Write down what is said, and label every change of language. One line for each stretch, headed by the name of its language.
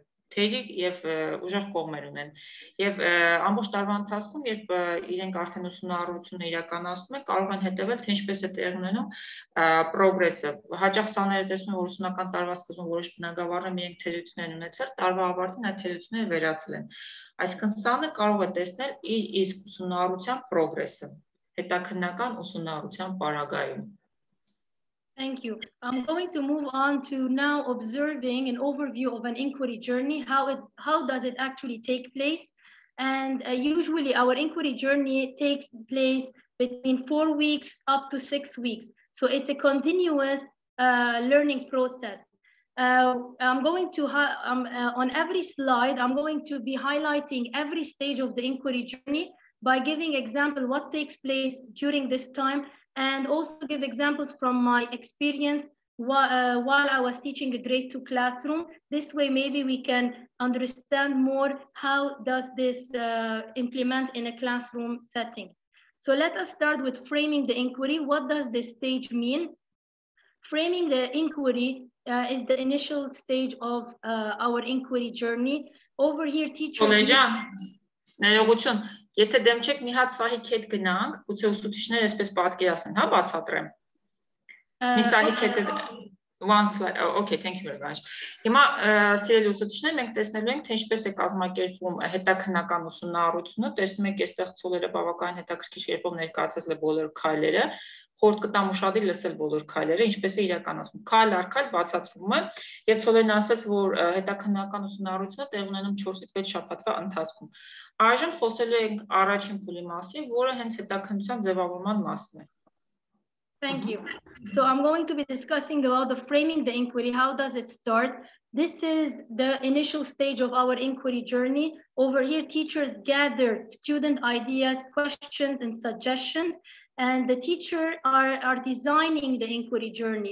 Armenian: թերիկ եւ ուժեղ կողմեր ունեն եւ ամբողջ տարվա ընթացքում երբ իրենք արդեն ուսումնառությունը իրականացնում են կարող են հետևել թե ինչպես է տեղ ունենում պրոգրեսը հաճախ սաները տեսնում են որ ուսումնական տարվա սկզբում որոշ բնագավառներ իրենք թերություններ են ունեցել տարվա ավարտին այդ թերությունները վերացել են այսինքն սանը կարող է տեսնել իր իսկ ուսումնառության պրոգրեսը հետաքննական ուսումնառության պարագայում.
English: Thank you. I'm going to move on to now observing an overview of an inquiry journey, how does it actually take place? And usually our inquiry journey takes place between 4 weeks up to 6 weeks. So it's a continuous learning process. On every slide, I'm going to be highlighting every stage of the inquiry journey by giving example what takes place during this time and also give examples from my experience while I was teaching a grade 2 classroom. This way, maybe we can understand more how does this implement in a classroom setting. So let us start with framing the inquiry. What does this stage mean? Framing the inquiry is the initial stage of our inquiry journey. Over here, teacher.
Armenian: Եթե դեմ չեք, մի հատ սահիկ հետ գնանք, գուցե ուսուցիչները այսպես պատկերացնեն, հա, բացատրեմ։ Մի սահիկ հետ
English: one slide. Okay, thank you very much.
Armenian: Հիմա սիրելի ուսուցիչներ, մենք տեսնելու ենք, թե ինչպես է կազմակերպվում հետաքննական ուսումնառությունը, տեսնում ենք այստեղ ցոլերը բավականին հետաքրքիր երբով ներկայացել է բոլոր քայլերը, խորտ կտամ ուշադիր լսել բոլոր քայլերը, ինչպես է իրականացվում։ Քայլ առ քայլ բացատրումը, եւ ցոլերն ասաց, որ հետաքննական ուսումնառությունը տեղ ունենում 4-ից 6 շաբաթվա ընթացքում։ Այժմ խոսելու ենք առաջին փուլի մասին, որը հենց հետաքննության ձևավորման մասն է։
English: Thank you. So I'm going to be discussing about the framing the inquiry. How does it start? This is the initial stage of our inquiry journey. Over here, teachers gather student ideas, questions, and suggestions. And the teacher are designing the inquiry journey.